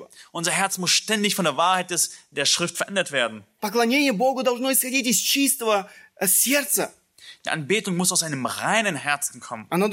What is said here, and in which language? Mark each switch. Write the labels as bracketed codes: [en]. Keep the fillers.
[de] Unser Herz muss ständig von der Wahrheit des, der Schrift verändert werden. [ru] Поклонение Богу должно исходить из чистого сердца. [de] Die Anbetung muss aus einem reinen Herzen kommen.